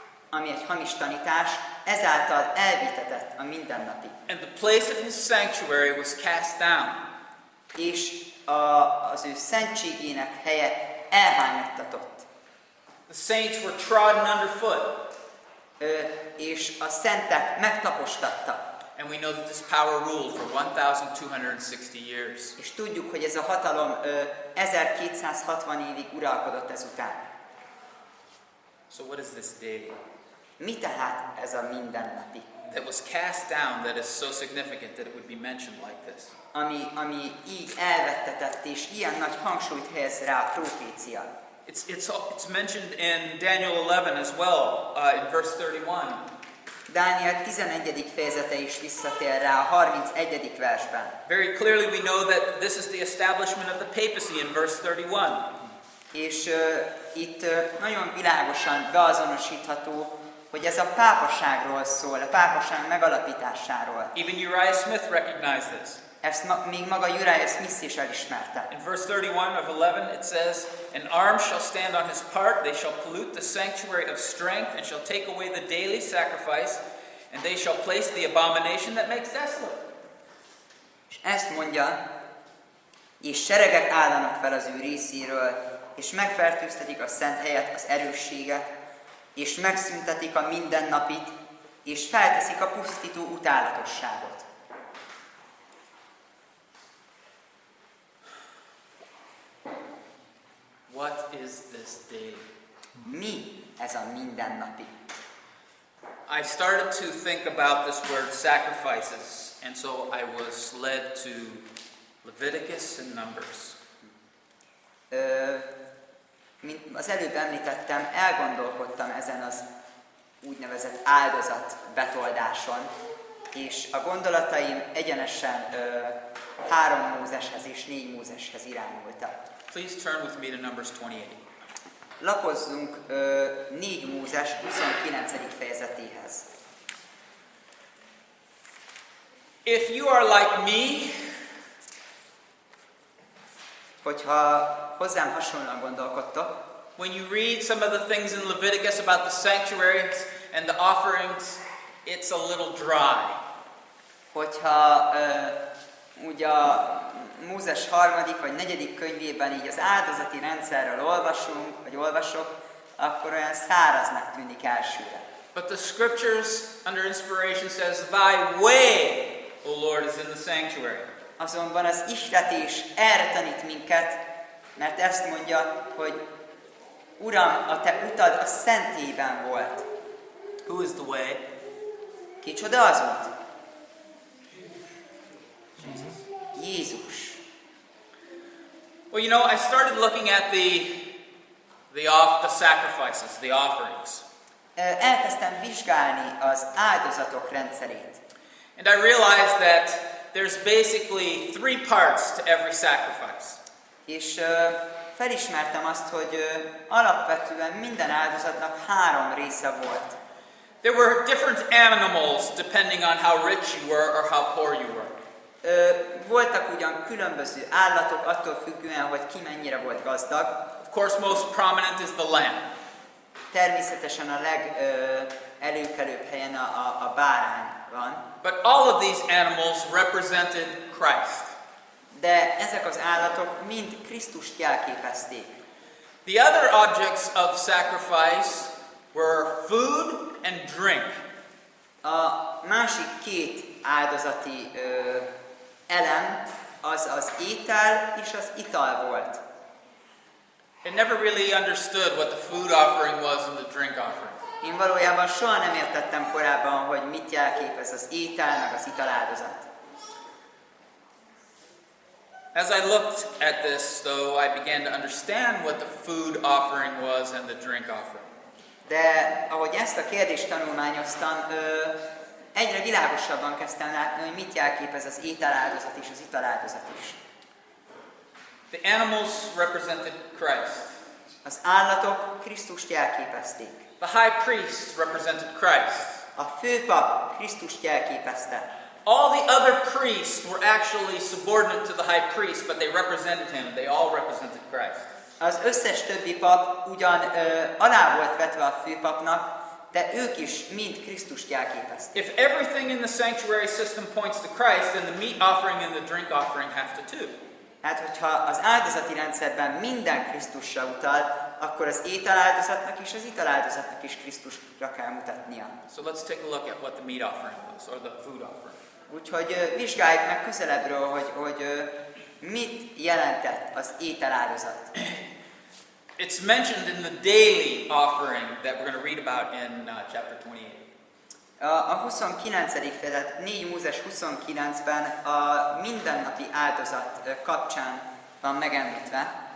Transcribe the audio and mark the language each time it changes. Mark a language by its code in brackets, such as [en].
[hu] Ami egy hamis tanítás, ezáltal elvitetett a mindennapi. [en] And the place of his sanctuary was cast down. [hu] És az ő szentségének helye elhányattatott. [en] The saints were trodden underfoot. [hu] És a szentek megtapostatta. [en] And we know that this power ruled for 1260 years. [hu] És tudjuk, hogy ez a hatalom 1260 évig uralkodott ezután. [en] So what is this daily? [hu] Mi tehát ez a mindennapi? [en] That was cast down, that is so significant that it would be mentioned like this. [hu] Ami így elvettetett és ilyen nagy hangsúlyt helyez rá a profécia. [en] It's mentioned in Daniel 11 as well, in verse 31. [hu] Dániel 11. Fejezete is visszatér rá a 31. versben. [en] Very clearly we know that this is the establishment of the papacy in verse 31. [hu] És itt nagyon világosan beazonosítható, hogy ez a pápaságról szól, a pápaság megalapításáról. [en] Even Uriah Smith recognized this. [hu] Ezt még maga Uriah Smith is elismerte. [en] In verse 31 of 11 it says, an arm shall stand on his part, they shall pollute the sanctuary of strength, and shall take away the daily sacrifice, and they shall place the abomination that makes desolate. [hu] És ezt mondja, és seregek állanak fel az ő részéről, és megfertőztetik a szent helyet, az erősséget, és megszüntetik a mindennapit, és felteszik a pusztító utálatosságot. [en] What is this daily? [hu] Mi ez a mindennapi? [en] I started to think about this word sacrifices, and so I was led to Leviticus and Numbers. [hu] Mint az előbb említettem, elgondolkodtam ezen az úgynevezett áldozat betoldáson, és a gondolataim egyenesen 3 Mózeshez és 4 Mózeshez irányultak. [en] Please turn with me to Numbers 28. [hu] Lapozzunk 4 Mózes 29. fejezetéhez. [en] If you are like me, [hu] hogyha hozzám hasonlóan gondolkodtok, [en] when you read some of the things in Leviticus about the sanctuaries and the offerings, it's a little dry. [hu] Hogyha ugye a Mózes 3. vagy 4. könyvében így az áldozati rendszerről olvasunk, vagy olvasok, akkor olyan száraznak tűnik elsőre. [en] But the scriptures under inspiration says, thy way, O Lord, is in the sanctuary. [hu] Azonban az ihletés erre tanít minket, mert ezt mondja, hogy Uram, a te utad a szentélyben volt. [en] Who is the way? [hu] Kicsoda az út? Jézus. Jézus. [en] Well, you know, I started looking at the sacrifices, the offerings. [hu] Elkezdtem vizsgálni az áldozatok rendszerét. [en] And I realized that there's basically 3 parts to every sacrifice. [hu] És felismertem azt, hogy alapvetően minden áldozatnak 3 része volt. [en] There were different animals depending on how rich you were or how poor you were. [hu] Voltak ugyan különböző állatok attól függően, hogy ki mennyire volt gazdag. [en] Of course, most prominent is the lamb. [hu] Természetesen a legelőkelőbb helyen a bárány van. [en] But all of these animals represented Christ. [hu] De ezek az állatok mind Krisztust jelképezték. [en] The other objects of sacrifice were food and drink. [hu] A másik 2 áldozati elem az étel és az ital volt. [en] It never really understood what the food offering was and the drink offering. [hu] Én valójában soha nem értettem korábban, hogy mit jelképez az étel meg az ital áldozat. [en] As I looked at this, though, I began to understand what the food offering was and the drink offering. [hu] De ahogy ezt a kérdést tanulmányoztam, egyre világosabban kezdtem látni, hogy mit jelképez az ételáldozat és az italáldozat is. [en] The animals represented Christ. [hu] Az állatok Krisztust jelképezték. [en] The high priest represented Christ. [hu] A főpap Krisztust jelképezte. [en] All the other priests were actually subordinate to the high priest, but they represented him. They all represented Christ. [hu] Az összes többi pap ugyan alá volt vetve a főpapnak, de ők is mind Krisztust jelképezték. [en] If everything in the sanctuary system points to Christ, then the meat offering and the drink offering have to too. [hu] Hát, hogyha az áldozati rendszerben minden Krisztusra utal, akkor az ételáldozatnak is, az italáldozatnak is Krisztusra kell mutatnia. [en] So let's take a look at what the meat offering was, or the food offering. [hu] Úgyhogy vizsgáljuk meg közelebbről, hogy mit jelentett az ételáldozat. [en] It's mentioned in the daily offering that we're going to read about in chapter 28. [hu] A 29. fejezet, 4 Mózes 29-ben a mindennapi áldozat kapcsán van megemlítve.